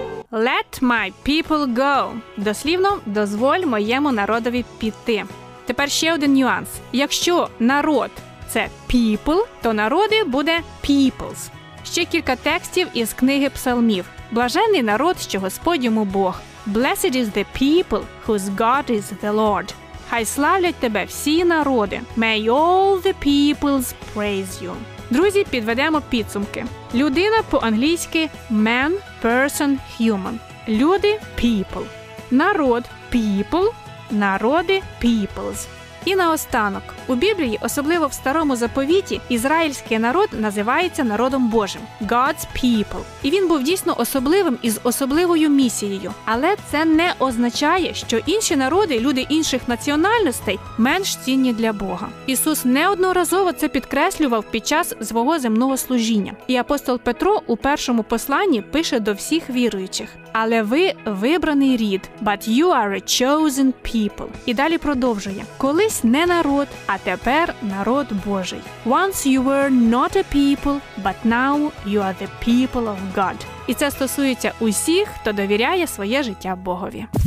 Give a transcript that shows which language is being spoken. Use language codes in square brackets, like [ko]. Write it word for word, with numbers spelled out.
[en] Let my people go. [uk] Дослівно, дозволь моєму народові піти. Тепер ще один нюанс. Якщо народ – це people, то народи буде peoples. Ще кілька текстів із книги псалмів. Блажений народ, що Господь йому Бог. [en] Blessed is the people, whose God is the Lord. [uk] Хай славлять тебе всі народи. [en] May all the peoples praise you. [uk] Друзі, підведемо підсумки. Людина по-англійськи man, person, human. Люди – people. Народ – people. Народи – peoples. І наостанок. У Біблії, особливо в Старому Заповіті, ізраїльський народ називається народом Божим – [en] God's people. [uk] І він був дійсно особливим і з особливою місією. Але це не означає, що інші народи, люди інших національностей менш цінні для Бога. Ісус неодноразово це підкреслював під час свого земного служіння. І апостол Петро у першому посланні пише до всіх віруючих. Але ви – вибраний рід, [en] but you are a chosen people. [uk] І далі продовжує. Колись не народ, а тепер народ Божий. [en] Once you were not a people, but now you are the people of God. [uk] І це стосується усіх, хто довіряє своє життя Богові.